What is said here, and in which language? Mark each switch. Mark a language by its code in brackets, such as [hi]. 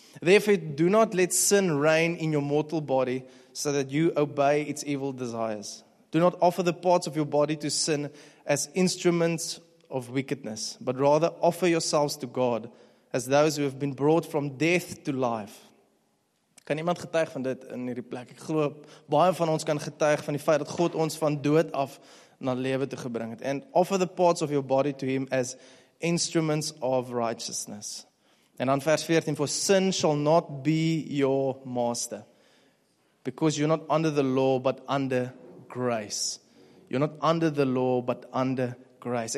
[en] Therefore, do not let sin reign in your mortal body, so that you obey its evil desires. Do not offer the parts of your body to sin as instruments of wickedness, but rather offer yourselves to God, as those who have been brought from death to life. [af] Kan iemand getuig van dit in hierdie plek? Ek glo, baie van ons kan getuig van die feit dat God ons van dood af na lewe te gebring het. [en] And offer the parts of your body to him as instruments of righteousness. [af] En dan vers 14, [en] for sin shall not be your master, because you're not under the law, but under grace. You're not under the law, but under grace.